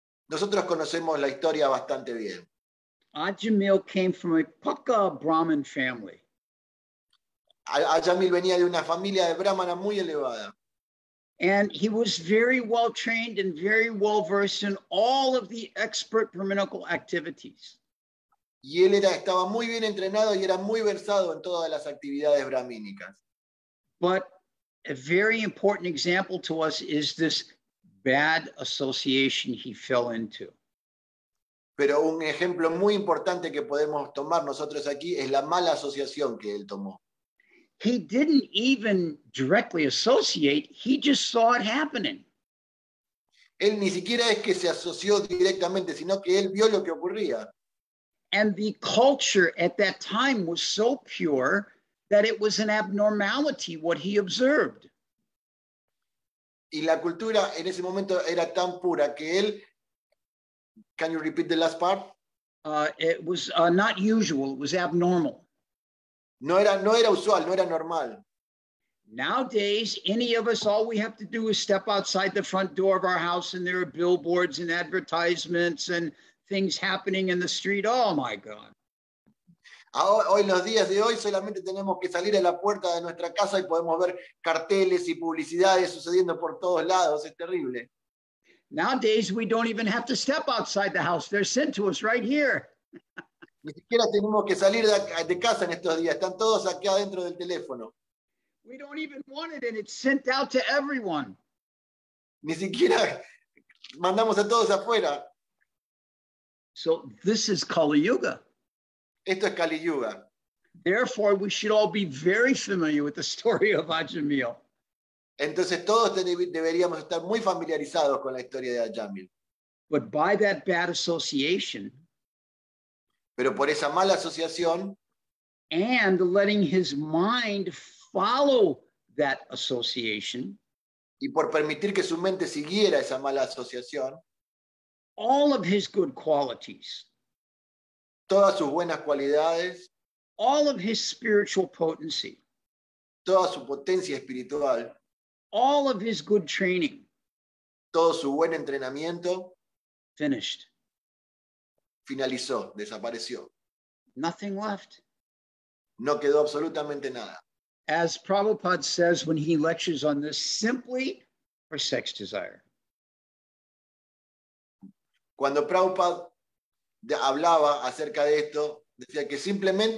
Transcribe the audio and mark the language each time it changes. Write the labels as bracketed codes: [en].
[es] Nosotros conocemos la historia bastante bien. [en] Ajamil came from a Pukka Brahmin family. [es] Ajamil venía de una familia de Brahmana muy elevada. [en] And he was very well trained and very well versed in all of the expert brahminical activities. [es] Y él era, estaba muy bien entrenado y era muy versado en todas las actividades brahmínicas. [en] But a very important example to us is this bad association he fell into. [es] Pero un ejemplo muy importante que podemos tomar nosotros aquí es la mala asociación que él tomó. [en] He didn't even directly associate, he just saw it happening. [es] Él ni siquiera es que se asoció directamente, sino que él vio lo que ocurría. [en] And the culture at that time was so pure that it was an abnormality what he observed. [es] Y la cultura en ese momento era tan pura que él... [en] Can you repeat the last part? It was not usual, it was abnormal. [es] No era usual, no era normal. [en] Nowadays, any of us, all we have to do is step outside the front door of our house and there are billboards and advertisements and things happening in the street. Oh my God. [es] Hoy, los días de hoy, solamente tenemos que salir a la puerta de nuestra casa y podemos ver carteles y publicidades sucediendo por todos lados. Es terrible. [en] Nowadays, we don't even have to step outside the house. They're sent to us right here. [es] Ni siquiera tenemos que salir de casa en estos días. Están todos aquí adentro del teléfono. [en] We don't even want it, and it's sent out to everyone. [es] Ni siquiera mandamos a todos afuera. [en] So this is Kali Yuga. [es] Esto es Kali Yuga. [en] Therefore, we should all be very familiar with the story of Ajamil. [es] Entonces todos deberíamos estar muy familiarizados con la historia de Ajamil. [en] But by that bad association, [es] pero por esa mala asociación, [en] and letting his mind follow that association, [es] y por permitir que su mente siguiera esa mala asociación, [en] all of his good qualities, [es] todas sus buenas cualidades, [en] all of his spiritual potency, [es] toda su potencia espiritual, [en] all of his good training, [es] todo su buen entrenamiento, [en] finished, [es] finalizó, desapareció, [en] nothing left, [es] no quedó absolutamente nada. [en] As Prabhupada says when he lectures on this, simply for sex desire. [es] Cuando Prabhupada hablaba acerca de esto, decía que simple.